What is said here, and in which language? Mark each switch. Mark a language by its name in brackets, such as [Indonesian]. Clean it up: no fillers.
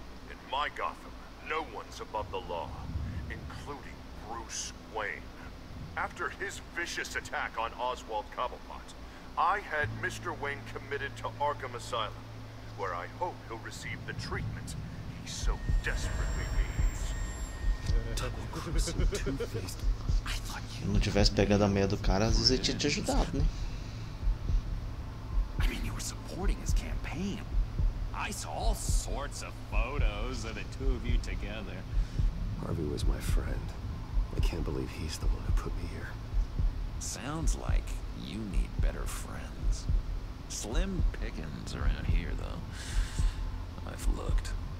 [English] In my Gotham, no one's above the law, including Bruce Wayne. After his vicious attack on Oswald Cobblepot, I had Mr. Wayne committed to Arkham Asylum, where I hope he'll receive the treatment he so desperately needs. [Portuguese] Não tivesse pegado a meia do cara, às vezes ele tinha te ajudado, né? [English] I mean, you were supporting his campaign. I saw all sorts of photos of the two of you together. Harvey was my friend. I can't believe he's the one who put me here. Sounds like you need better friends. Slim pickings around here, though. I've looked.